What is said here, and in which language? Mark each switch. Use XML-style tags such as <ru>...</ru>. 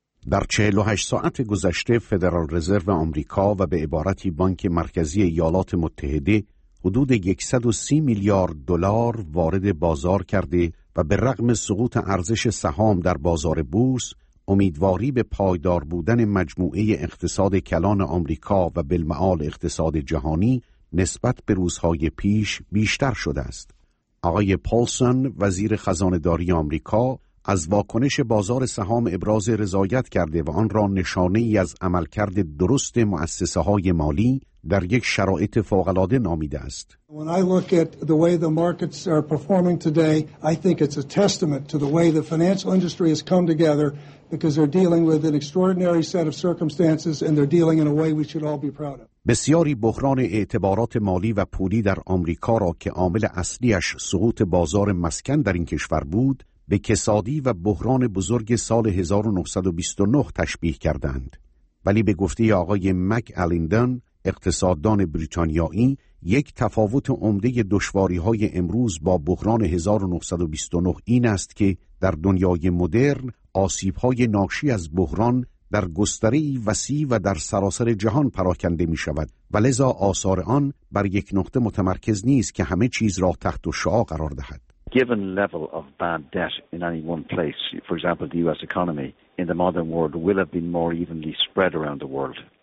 <fa>در 48 ساعت گذشته فدرال رزرو آمریکا و به عبارتی بانک مرکزی ایالات متحده حدود 130 میلیارد دلار وارد بازار کرده و به رغم سقوط ارزش سهام در بازار بورس، امیدواری به پایدار بودن مجموعه اقتصاد کلان آمریکا و بالمعال اقتصاد جهانی نسبت به روزهای پیش بیشتر شده است. آقای پولسون، وزیر خزانه‌داری آمریکا، از واکنش بازار سهام ابراز رضایت کرده و آن را نشانه‌ای از عملکرد درست مؤسسه‌های مالی در یک شرایط فوق‌العاده نامیده است.</fa> <en>When I look at the way the markets are performing today, I think it's a testament to the way the financial industry has come together because they're dealing with an extraordinary set of circumstances and they're dealing in a way we should all be proud of.</en> <fa>بسیاری بحران اعتبارات مالی و پولی در آمریکا را که عامل اصلیش سقوط بازار مسکن در این کشور بود، به کسادی و بحران بزرگ سال 1929 تشبیه کردند. ولی به گفته آقای مک الیندن، اقتصاددان بریتانیایی، یک تفاوت عمده دشواری‌های امروز با بحران 1929 این است که در دنیای مدرن آسیب‌های ناشی از بحران در گستره وسیع و در سراسر جهان پراکنده می‌شود و لذا آثار آن بر یک نقطه متمرکز نیست که همه چیز را تحت شعاع قرار دهد.</fa> <en>Given level of bad debt in any one place, for example the US economy in the modern world will have been more evenly spread around the world.</en>